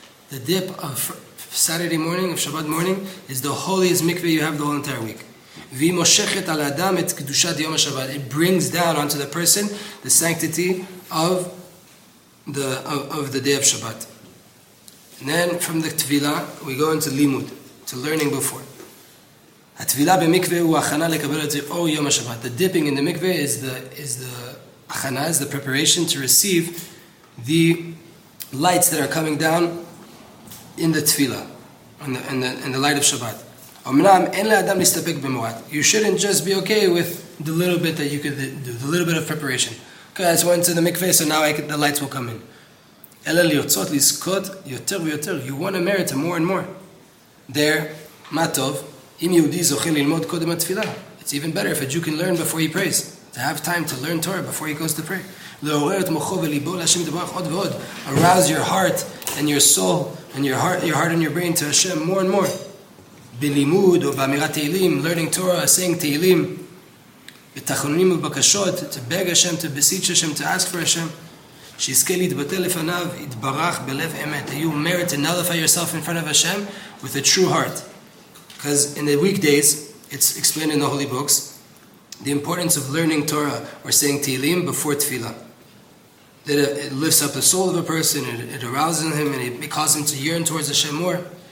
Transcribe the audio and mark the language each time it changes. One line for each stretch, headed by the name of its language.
English: The dip of Saturday morning, of Shabbat morning, is the holiest mikveh you have the whole entire week.
Hebrew: V'moshechet al adam et kedushat yom ha'shabbat.
English: It brings down onto the person the sanctity of the day of Shabbat. And then from the tvila, we go into limud, to learning before.
Hebrew: התפילה במקווה הוא הכנה לקבל את אור יום השבת.
English: The dipping in the mikveh is the הכנה, is the preparation to receive the lights that are coming down in the tefila, in the light of Shabbat.
Hebrew: אמנם אין לאדם להסתפק במועט.
English: You shouldn't just be okay with the little bit that you could do, the little bit of preparation. Okay, I just went to the mikveh, so now the lights will come in.
Hebrew: אלא לרצות לזכות יותר ויותר.
English: You want to merit more and more. There,
Hebrew: מה טוב? אם יהודי זוכה ללמוד קודם התפילה,
English: it's even better if a Jew can learn before he prays, to have time to learn Torah before he goes to pray.
Hebrew: לעורר את מוחו וליבו להשם דברך עוד ועוד.
English: Arouse your heart and your soul and your heart and your brain to Hashem more and more.
Hebrew: בלימוד או באמירת תהילים,
English: learning Torah, saying תהילים,
Hebrew: בתחנונים ובקשות,
English: to beg Hashem, to beseech Hashem, to ask for Hashem.
Hebrew: שיזכה להתבטל לפניו, יתברך בלב אמת.
English: You merit to nullify yourself in front of Hashem with a true heart. Because in the weekdays, it's explained in the holy books, the importance of learning Torah or saying Tehillim before Tefillah. That it lifts up the soul of a person, it arouses him, and it causes him to yearn towards Hashem more.